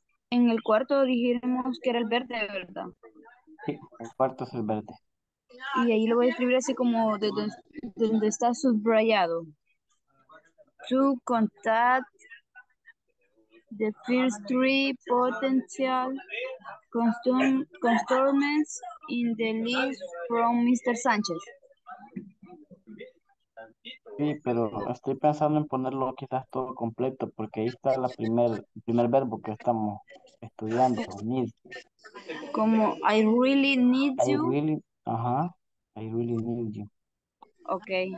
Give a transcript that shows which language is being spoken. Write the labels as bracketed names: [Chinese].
[Spanish] En el cuarto dijimos que era el verde, ¿verdad? Sí, el cuarto es el verde. Y ahí lo voy a escribir así como donde está subrayado. [English] To contact the first three potential customers in the list from Mr. Sánchez. [Spanish] Sí, pero estoy pensando en ponerlo quizás todo completo, porque ahí está el primer verbo que estamos estudiando, need. [English] Como, I really need you. I really need you. Ok.